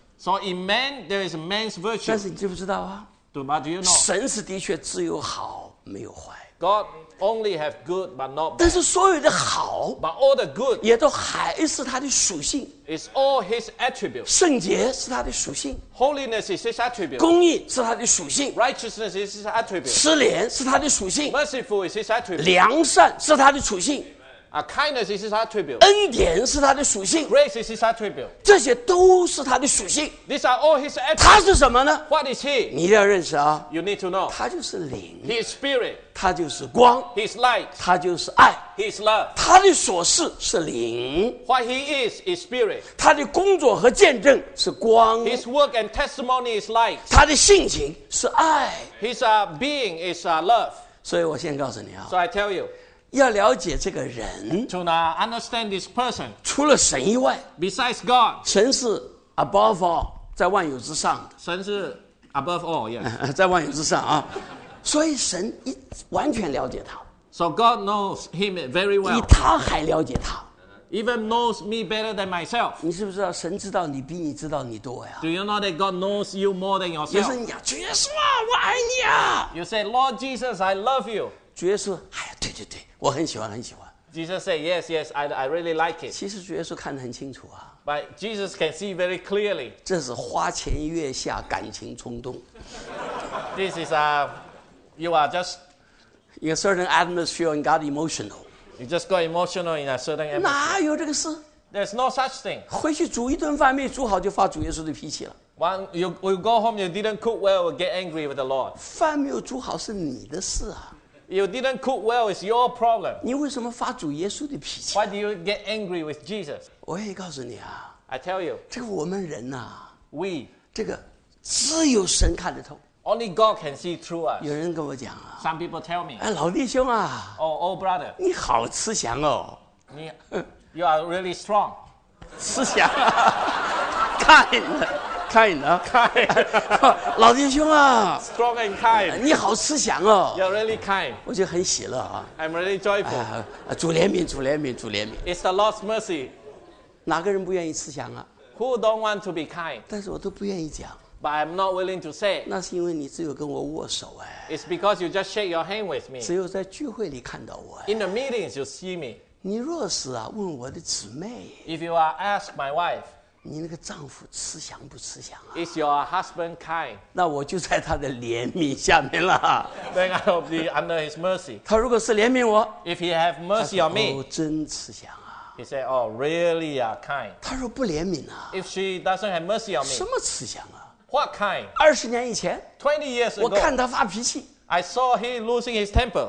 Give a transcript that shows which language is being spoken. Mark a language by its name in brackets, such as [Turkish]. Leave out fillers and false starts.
[English] So in man there is man's virtue. [Chinese] 但是你知不知道啊？对吧 [English] ？Do you know? [Chinese] 神是的确只有好没有坏。 [English] God only have good but not bad. [Chinese] 但是所有的好 [English] ，but all the good [Chinese] 也都还是他的属性。 [English] It's all his attributes. [Chinese] 圣洁是他的属性。 [English] Holiness is his attribute. [Chinese] 公义是他的属性。 [English] Righteousness is his attribute. [Chinese] 慈怜是他的属性。 [English] Merciful is his attribute. [Chinese] 良善是他的属性。 [English] A kindness is his attribute. [Chinese] 恩典是他的属性。 [English] Grace is his attribute. [Chinese] 这些都是他的属性。 [English] These are all his attributes. [Chinese] 他是什么呢 [English] ？What is he? [Chinese] 你一定要认识啊。 [English] You need to know. [Chinese] 他就是灵。 [English] He is spirit. [Chinese] 他就是光。 [English] He is light. [Chinese] 他就是爱。 [English] He is love. [Chinese] 他的所事是灵。 [English] What he is spirit. [Chinese] 他的工作和见证是光。 [English] His work and testimony is light. [Chinese] 他的性情是爱。 [English] His being is love. [Chinese] 所以我先告诉你啊。 [English] So I tell you. [Chinese] 要了解这个人 [English] to understand this person, [Chinese] 除了神以外 [English] besides God, [Chinese] 神是 [English] above all [Chinese] 在万有之上的神是 [English] above all、yes. [Chinese] 在万有之上啊，所以神一完全了解他 [English] so God knows him very well [Chinese] 比他还了解他 [English] even knows me better than myself [Chinese] 你是不是知道神知道你比你知道你多呀 [English] do you know that God knows you more than yourself [Chinese] 你说你呀主耶稣啊我爱你啊 [English] you say Lord Jesus I love you [Chinese] 主耶稣哎呀对对对我很喜欢很喜欢 [English] Jesus said yes yes I really like it [Chinese] 其实主耶稣看得很清楚啊 [English] But Jesus can see very clearly [Chinese] 这是花前月下感情冲动 [English] This is you are just in a certain atmosphere and got emotional You just got emotional in a certain atmosphere [Chinese] 哪有这个事 [English] There's no such thing [Chinese] 回去煮一顿饭没煮好就发主耶稣的脾气了 [English] When you go home you didn't cook well you get angry with the Lord [Chinese] 饭没有煮好是你的事啊 [English] You didn't cook well, it's your problem. [Chinese] 你为什么发主耶稣的脾气 [English] Why do you get angry with Jesus? [Chinese] 我也告诉你啊 [English] I tell you. [Chinese] 这个我们人啊 [English] We. [Chinese] 这个只有神看得透 [English] Only God can see through us. [Chinese] 有人跟我讲啊 [English] Some people tell me. [Chinese] 哎，老弟兄啊 [English] Oh, old brother. [Chinese] 你好慈祥哦 [English] You are really strong. [Chinese] 慈祥啊 [English] Kind. Kind. Kind. [Chinese] 老弟兄啊 [English] Strong and kind. [Chinese] 你好慈祥哦 [English] You're really kind. [Chinese] 我就很喜乐啊 [English] I'm really joyful. [Chinese] 主怜悯主怜悯主怜悯 [English] It's the Lord's mercy. [Chinese] 哪个人不愿意慈祥啊 [English] Who don't want to be kind? [Chinese] 但是我都不愿意讲 [English] But I'm not willing to say. [Chinese] 那是因为你只有跟我握手啊 [English] It's because you just shake your hand with me. [Chinese] 只有在聚会里看到我 [English] 啊 In the meetings you see me. [Chinese] 你若是啊问我的姊妹 [English] If you ask my wife, [Chinese] 你那个丈夫慈祥不慈祥啊 [English] Is your husband kind? [Chinese] 那我就在他的怜悯下面了 [English] Then I'll be under his mercy [Chinese] 他如果是怜悯我 [English] If he have mercy on me [Chinese] 他说哦真慈祥啊 [English] He said oh really kind [Chinese] 他说不怜悯啊 [English] If she doesn't have mercy on me [Chinese] 什么慈祥啊 [English] What kind? [Chinese] 二十年以前 [English] 20 years ago [Chinese] 我看他发脾气 [English] I saw him losing his temper